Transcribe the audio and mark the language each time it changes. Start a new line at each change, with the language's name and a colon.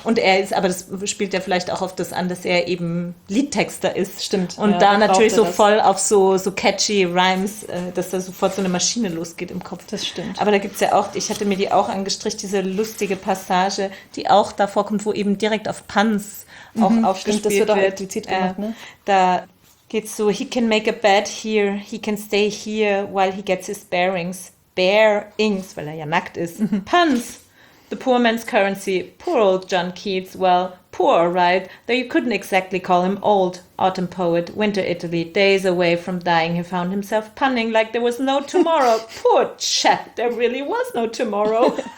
German: Und er ist, aber das spielt ja vielleicht auch auf das an, dass er eben Liedtexter ist. Stimmt. Und ja, da natürlich so das. Voll auf so catchy Rhymes, dass da sofort so eine Maschine losgeht im Kopf. Das stimmt. Aber da gibt's ja auch, ich hatte mir die auch angestrichen, diese lustige Passage, die auch da vorkommt, wo eben direkt auf Puns auch aufgespielt wird. Das wird auch explizit gemacht, ne? Da geht's so,
English: he can make a bed here, he can stay here while he gets his bearings.
German: Bearings, weil er ja nackt ist.
English: Puns. The poor man's currency, poor old John Keats, well, poor, right? Though you couldn't exactly call him old. Autumn poet, winter Italy, days away from dying, he found himself punning like there was no tomorrow. Poor chap, there really was no tomorrow.